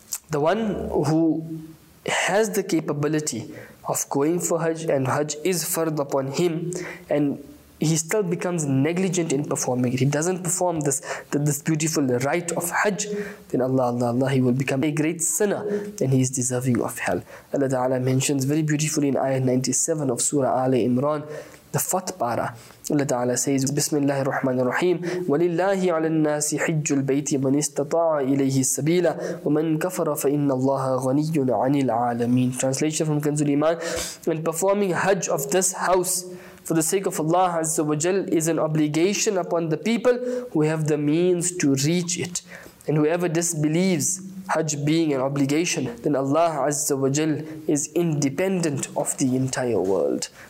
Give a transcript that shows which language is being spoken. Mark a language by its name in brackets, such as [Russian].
[English] The one who has the capability of going for Hajj, and Hajj is fard upon him, and he still becomes negligent in performing it, he doesn't perform this beautiful rite of Hajj, then Allah, he will become a great sinner and he is deserving of hell. Allah Ta'ala mentions very beautifully in Ayah 97 of Surah Ali Imran, the fourth para. Allah Ta'ala says, [Arabic] Bismillahir Rahmanir Rahim, وَلِلَّهِ عَلَى النَّاسِ حِجُّ الْبَيْتِ مَنِ اسْتَطَاعَ إِلَيْهِ السَّبِيلَ وَمَنْ كَفَرَ فَإِنَّ اللَّهَ غَنِيٌّ عَنِ الْعَالَمِينَ. [English] Translation from Kanzul Iman, when performing Hajj of this house for the sake of Allah Azza wa Jal is an obligation upon the people who have the means to reach it. And whoever disbelieves Hajj being an obligation, then Allah Azza wa Jal is independent of the entire world.